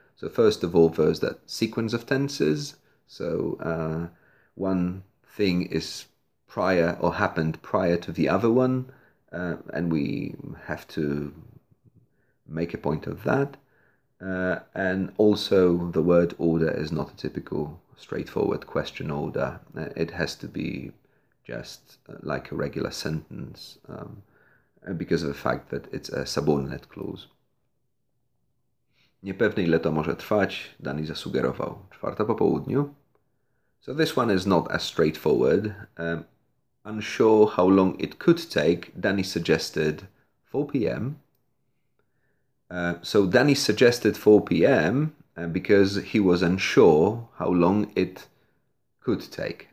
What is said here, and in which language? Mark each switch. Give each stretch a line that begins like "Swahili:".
English: So first of all, there's that sequence of tenses. So one thing is prior or happened prior to the other one, and we have to make a point of that. And also the word order is not a typical straightforward question order. It has to be just like a regular sentence because of the fact that it's a subordinate clause.
Polish: Niepewne ile to może trwać, Dani zasugerował. Czwarta po południu.
English: So this one is not as straightforward. Unsure how long it could take, Dani suggested 4 p.m. So Dani suggested 4 p.m. Because he was unsure how long it could take.